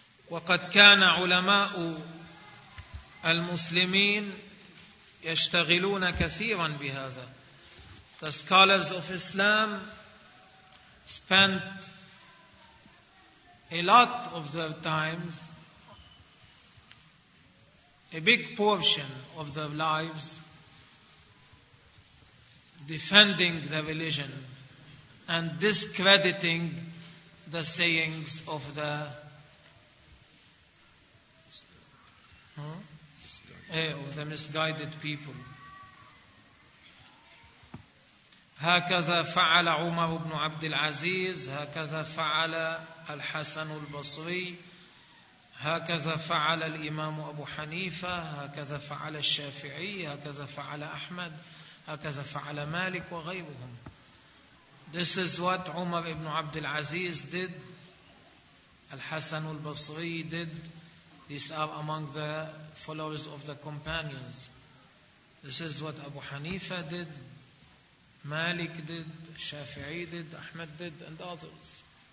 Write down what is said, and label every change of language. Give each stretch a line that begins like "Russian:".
Arabic: وقد كان علماء المسلمين يشتغلون كثيرا بهذا.
English: The scholars of Islam spent a lot of their times, a big portion of their lives, defending the religion and discrediting the sayings of the of the misguided people.
Arabic: هكذا فعل عمر بن عبد العزيز، هكذا فعل الحسن البصري، هكذا فعل الإمام أبو حنيفة، هكذا فعل الشافعي، هكذا فعل أحمد، هكذا فعل مالك وغيرهم.
English: This is what عمر بن عبد العزيز did. الحسن البصري did. These are among the followers of the companions. This is what Abu Hanifa did, Malik did, Shafi'i did, Ahmed did, and others.